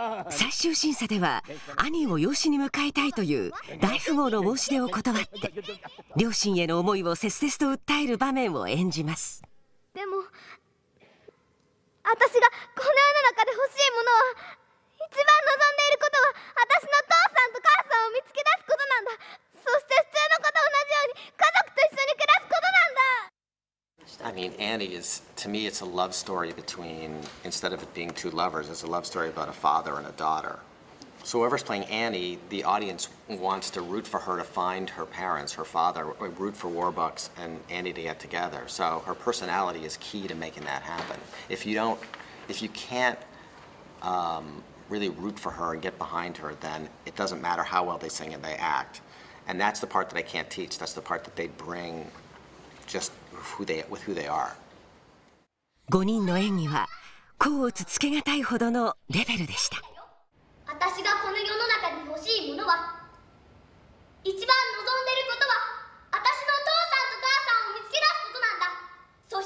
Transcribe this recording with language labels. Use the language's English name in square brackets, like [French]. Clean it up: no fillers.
[Japanese] 最終審査では兄を養子に迎えたいという大富豪の申し出を断って、両親への思いを切々と訴える場面を演じます。でも私がこの世の中で欲しいものは、一番望んでいることは、私の父さんと母さんを見つけ出すことなんだ。そして普通の子と同じように家族と一緒に暮らすことなんだ。 [English] I mean, Annie is, to me, it's a love story between, instead of it being two lovers, it's a love story about a father and a daughter. So whoever's playing Annie, the audience wants to root for her to find her parents, her father, root for Warbucks and Annie to get together. So her personality is key to making that happen. If you don't, if you can't really root for her and get behind her, then it doesn't matter how well they sing and they act. And that's the part that I can't teach. That's the part that they bring just [Japanese] 5人の演技は甲乙つけがたいほどのレベルでした。私がこの世の中に欲しいものは、一番望んでることは、私の父さんと母さんを見つけ出すことなんだ。